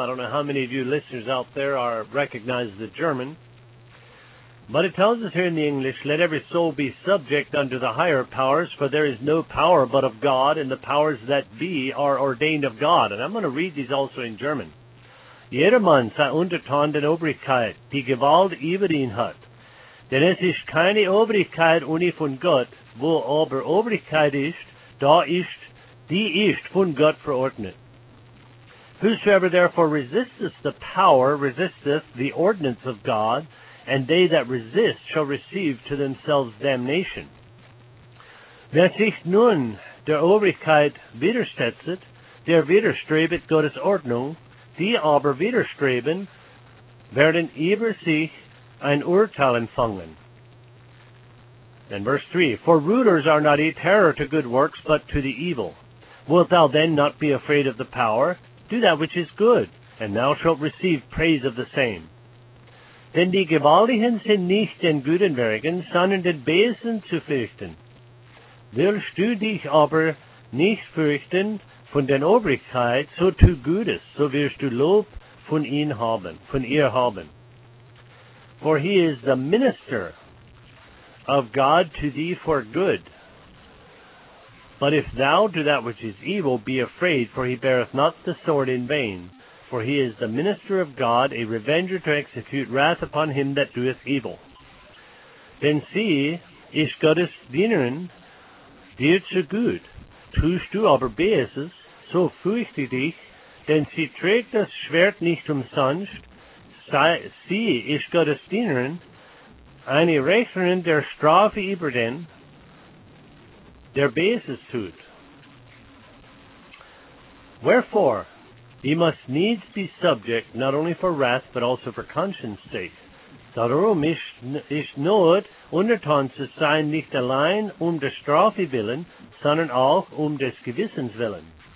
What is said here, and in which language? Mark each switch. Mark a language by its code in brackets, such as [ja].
[en] I don't know how many of you listeners out there recognize the German. But it tells us here in the English, let every soul be subject unto the higher powers, for there is no power but of God, and the powers that be are ordained of God. And I'm going to read these also in German. [de] Jedermann sei untertan den Obrigkeit, die Gewalt über ihn hat. Denn es ist keine Obrigkeit ohne von Gott, wo aber Obrigkeit ist, da ist die ist von Gott verordnet. [en] Whosoever therefore resisteth the power resisteth the ordinance of God, and they that resist shall receive to themselves damnation. [de] Wer sich nun der Obrigkeit widersetzet, der widerstrebet Gottes Ordnung, die aber widerstreben, werden über sich ein Urteil empfangen. [en] Then verse 3, for rulers are not a terror to good works, but to the evil. Wilt thou then not be afraid of the power? Do that which is good, and thou shalt receive praise of the same. [de] Denn die Gewaltigen sind nicht den guten Werken, sondern den Bösen zu fürchten. Willst du dich aber nicht fürchten von der Obrigkeit, so tu Gutes, so wirst du Lob von ihr haben. [en] For he is the minister of God to thee for good. But if thou do that which is evil, be afraid, for he beareth not the sword in vain. For he is the minister of God, a revenger to execute wrath upon him that doeth evil. [de] Denn sie ist Gottes Dienerin, dir zu gut. Tust du aber Böses, so fürchte dich, denn sie trägt das Schwert nicht umsonst. Sie ist Gottes Dienerin, eine Rechnerin der Strafe über den, der Böses tut. [en] Wherefore, ye must needs be subject, not only for wrath, but also for conscience' sake. [de] Darum ist not untertan zu sein, nicht allein der Strafe willen, sondern auch des Gewissens willen.